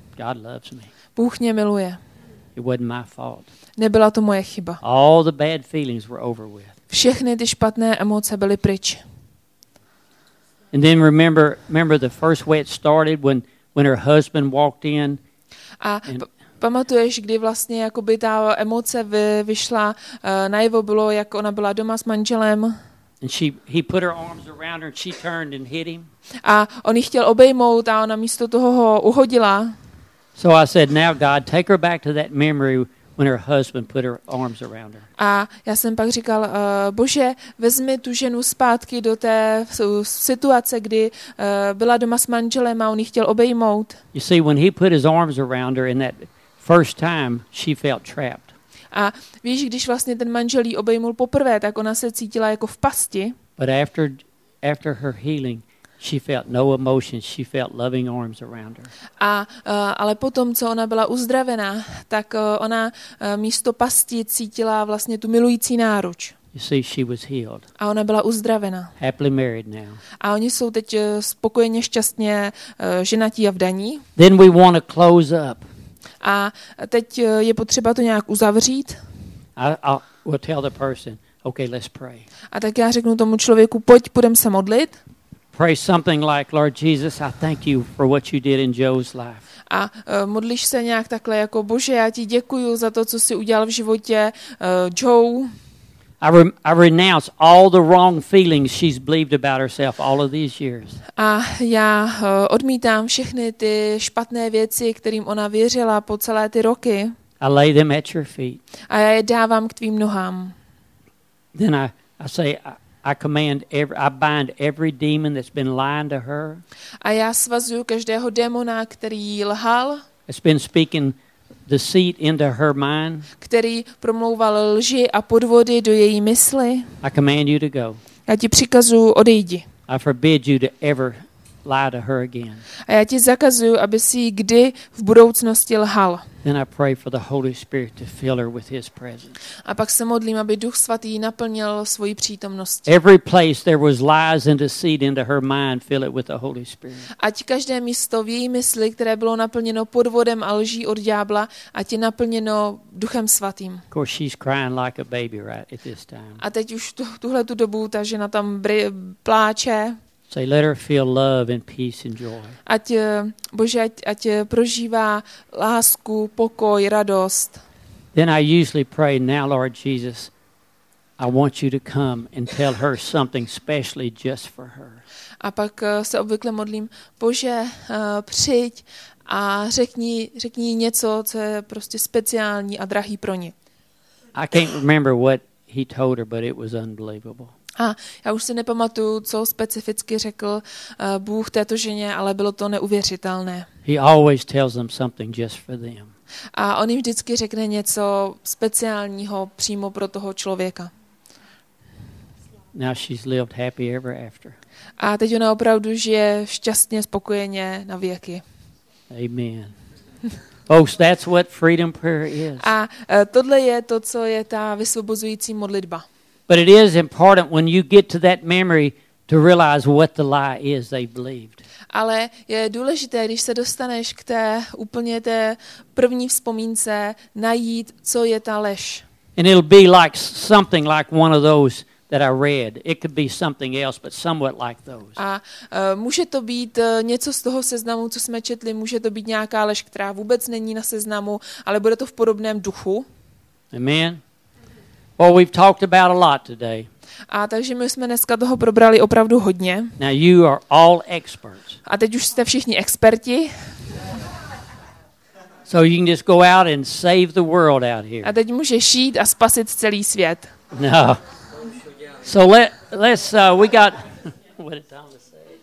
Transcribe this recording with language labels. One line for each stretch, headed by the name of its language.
English: God loves me.
Czech: Bůh mě miluje.
English: It wasn't my fault.
Czech: Nebyla to moje chyba.
English: All the bad feelings were over with.
Czech: Všechny ty špatné emoce byly pryč.
English: And then remember the first way it started when her husband walked in.
Czech: A pamatuješ, kdy vlastně jakoby ta emoce vyšla najevo, bylo, jak ona byla doma s manželem.
English: And he put her arms around her and she turned and hit him.
Czech: A on ji chtěl obejmout a ona místo toho ho uhodila.
English: So I said, now God, take her back to that memory when her husband put her arms around her.
Czech: A já jsem pak říkal, Bože, vezmi tu ženu zpátky do té situace, kdy byla doma s manželem a on ji chtěl obejmout.
English: You see, when he put his arms around her in that first time, she felt trapped.
Czech: A víš, když vlastně ten manžel jí obejmul poprvé, tak ona se cítila jako v pasti.
English: But after her healing, she felt no emotion, she felt loving arms around her.
Czech: A ale potom, co ona byla uzdravena, tak ona místo pasti cítila vlastně tu milující náruč.
English: You see, she was healed.
Czech: A ona byla uzdravena.
English: Happily married now.
Czech: A oni jsou teď spokojeně šťastně ženatí a vdaní.
English: Then we want to close up.
Czech: A teď je potřeba to nějak uzavřít.
English: We'll tell the person, okay, let's pray.
Czech: A tak já řeknu tomu člověku, pojď, půjdeme se modlit.
English: Pray something like, Lord Jesus, I thank you for what you did in Joe's life.
Czech: A modlíš se nějak takhle jako, Bože, já ti děkuju za to, co jsi udělal v životě Joe.
English: I renounce all the wrong feelings she's believed about herself all of these years.
Czech: A já odmítám všechny ty špatné věci, kterým ona věřila po celé ty roky.
English: I lay them at your feet.
Czech: A já je dávám k tvým nohám.
English: Then I say I bind every demon that's been lying to her.
Czech: A já svazuju každého démona, který jí lhal.
English: It's been speaking the seed into her mind,
Czech: který promlouval lži a podvody do její mysli.
English: I command you to go.
Czech: Já ti přikazuju, odejdi.
English: I forbid you to ever lie to her again.
Czech: A já ti zakazuju, aby si jí kdy v budoucnosti lhal.
English: Then I pray for the Holy Spirit to fill her with His presence.
Czech: A pak se modlím, aby Duch Svatý ji naplnil svojí přítomností.
English: Every place there was lies and deceit into her mind, fill it with the Holy Spirit.
Czech: Ať každé místo v její mysli, které bylo naplněno podvodem a lží od ďábla, ať je naplněno Duchem Svatým.
English: Of course she's crying like a baby right at this time.
Czech: A teď už tuhle tu dobu ta žena tam pláče.
English: Say, let her feel love and peace and joy.
Czech: Ať, Bože, ať prožívá lásku, pokoj, radost.
English: Then I usually pray, now Lord Jesus, I want you to come and tell her something specially just for her.
Czech: A pak se obvykle modlím, Bože, přijď a řekni něco, co je prostě speciální a drahý pro ně.
English: I can't remember what he told her, but it was unbelievable.
Czech: A já už si nepamatuju, co specificky řekl Bůh této ženě, ale bylo to neuvěřitelné.
English: He always tells them something just for them.
Czech: A on jim vždycky řekne něco speciálního přímo pro toho člověka.
English: Now she's lived happy ever after.
Czech: A teď ona opravdu žije šťastně, spokojeně na věky.
English: Amen. Folks, that's what freedom prayer is.
Czech: A tohle je to, co je ta vysvobozující modlitba.
English: But it is important when you get to that memory to realize what the lie is they believed.
Czech: Ale je důležité, když se dostaneš k té úplně té první vzpomínce, najít, co je ta lež.
English: And it'll be like something like one of those that I read. It could be something else, but somewhat like those.
Czech: A může to být něco z toho seznamu, co jsme četli, může to být nějaká lež, která vůbec není na seznamu, ale bude to v podobném duchu.
English: Amen. Well, we've talked about a lot today.
Czech: A takže my jsme dneska toho probrali opravdu hodně.
English: Now you are all experts.
Czech: A teď už jste všichni experti.
English: So you can just go out and save the world out here.
Czech: A teď můžeš jít a spasit celý svět.
English: No. So let's we got what did Thomas say?